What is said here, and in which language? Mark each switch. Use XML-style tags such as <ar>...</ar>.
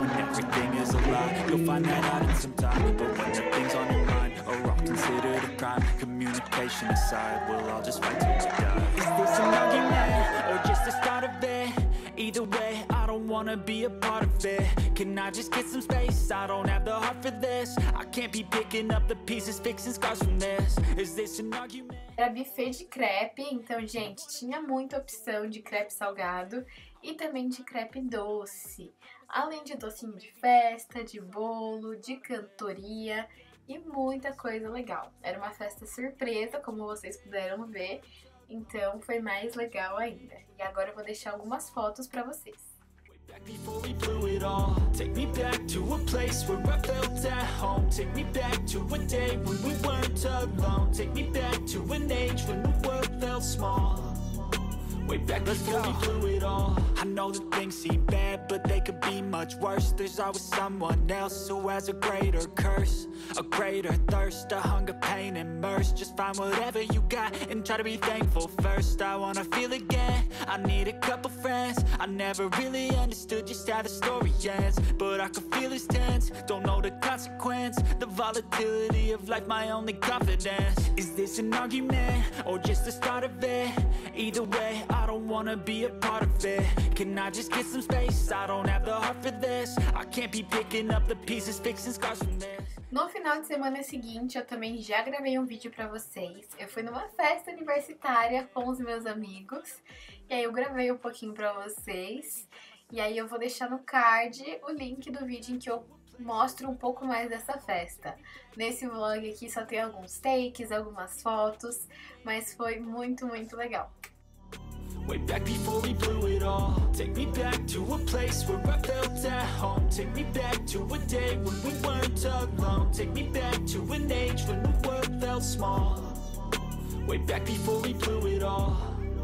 <en>When everything is a lie, you'll find that out in some time. But when the things on your mind are all considered a crime, communication aside, we'll all just fight till we die. Is this an argument or just the start of it? Either way, I don't wanna be a part of it. Can I just get some space? I don't have the heart for this. I can't be picking up the pieces, fixing scars from this. Is this an argument?</en> <pt>Era buffet de crepe, então, gente, tinha muita opção de crepe salgado e também de crepe doce. Além de docinho de festa, de bolo, de cantoria e muita coisa legal. Era uma festa surpresa, como vocês puderam ver. Então foi mais legal ainda. E agora eu vou deixar algumas fotos pra vocês.</pt> <en>Way back before we blew it all. Take me back to a place where I felt at home. Take me back to a day when we weren't alone. Take me back to an age when the world felt small. Way back before we blew it all. I know that things seem bad, but they could be much worse. There's always someone else who has a greater curse, a greater thirst, a hunger, pain, and mercy. Just find whatever you got and try to be thankful first. I wanna feel again, I need a couple friends. I never really understood just how the story ends, but I can feel it's tense, don't know the consequence. The volatility of life, my only confidence. Is this an argument or just the start of it? Either way, I don't wanna be a part of it. Can I just get some space? I don't have the heart for this. I can't be picking up the pieces, fixing scars from this.</en> <pt>No final de semana seguinte, eu também já gravei um vídeo pra vocês. Eu fui numa festa universitária com os meus amigos. E aí eu gravei um pouquinho pra vocês. E aí eu vou deixar no card o link do vídeo em que eu mostro um pouco mais dessa festa. Nesse vlog aqui só tem alguns takes, algumas fotos. Mas foi muito, muito legal.</pt> <en>Way back before we blew it all. Take me back to a place where I felt at home. Take me back to a day when we weren't alone. Take me back to an age when the world felt small. Way back before we blew it all.</en>